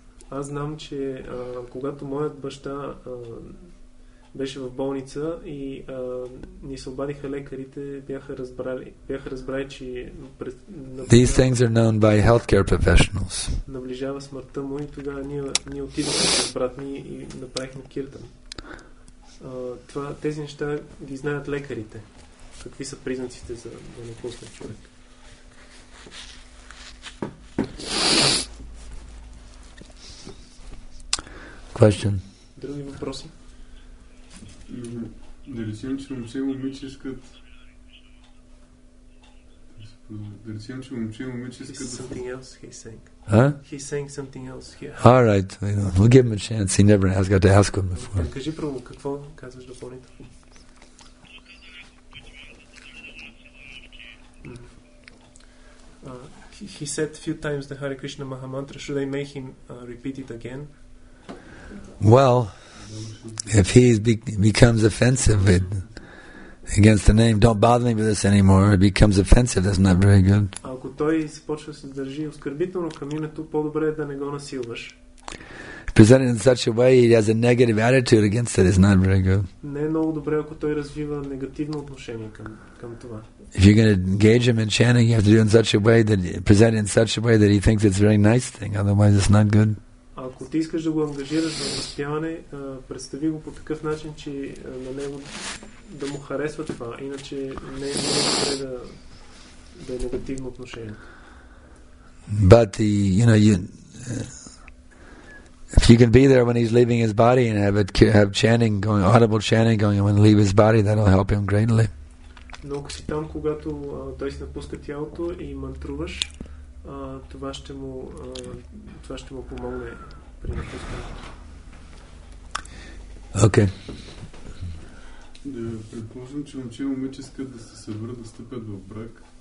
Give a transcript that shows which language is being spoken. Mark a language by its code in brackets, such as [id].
[bg] Аз знам, че когато моят баща беше в болница и ни се обадиха лекарите, бяха разбрали, че [en] these things are known by healthcare professionals. [bg] Наближава смъртта му и тогава ние отидохме с брат ми и направихме киртан. Тези неща ги знаят лекарите. Какви са признаците за да напусне човек? [en] Question. [bg] Други въпроси? Да речем, че момче и момиче искат... Да речем, че момче и момиче искат... [en] Something else he's saying. Huh? He's saying something else here. All right. We'll give him a chance. He never has got to ask him before. [bg] Кажи право, какво казваш допълнително? [en] He said a few times the Hare Krishna Maha Mantra. Should I make him repeat it again? Well, if he becomes offensive against the name, don't bother me with this anymore, it becomes offensive, that's not very good. [bg] Ако той започва да се държи оскърбително към името, по-добре е да не го насилваш. [en] Presented in such a way he has a negative attitude against it is not very good. [bg] Не е много добре, ако той развива негативно отношение към това. [en] If you're going to engage him in chanting, you have to do it in such a way that present it in such a way that he thinks it's a very nice thing, otherwise it's not good. [bg] Ако ти искаш да го ангажираш за възпяване, представи го по такъв начин, че на него да му харесва това, иначе не е добре да е негативно отношение. [en] But if you can be there when he's leaving his body and have chanting going, audible chanting going when he leaves his body, that'll help him greatly. [bg] Но ако си там, когато той си напуска тялото и мантруваш, това ще му помогне. Окей. Да, предположим, че момче и момиче искат да се съберат, да стъпят в брак.